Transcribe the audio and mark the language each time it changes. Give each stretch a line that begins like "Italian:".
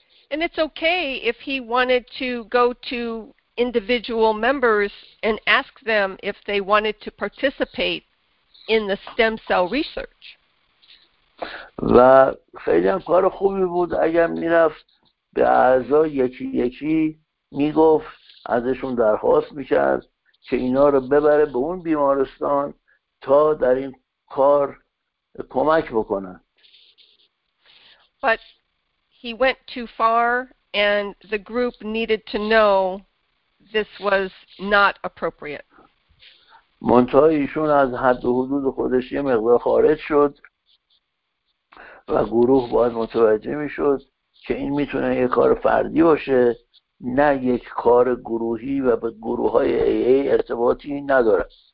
English: And it's okay if he wanted to go to individual members and ask them if they wanted to participate in the stem cell research.
Persian: و خیلی هم کار خوبی بود اگر می‌رفت به اعضا یکی یکی میگفت ازشون درخواست میکرد که اینا رو ببره به اون بیمارستان تا در این کار کمک بکنن.
English: But he went too far and the group needed to know this was not appropriate.
Persian: منتها ایشون از حد و حدود خودش یه مقدار خارج شد و گروه باید متوجه می شد که این می تونه یه کار فردی باشه، نه یک کار گروهی و به گروه های AA ارتباطی نداره.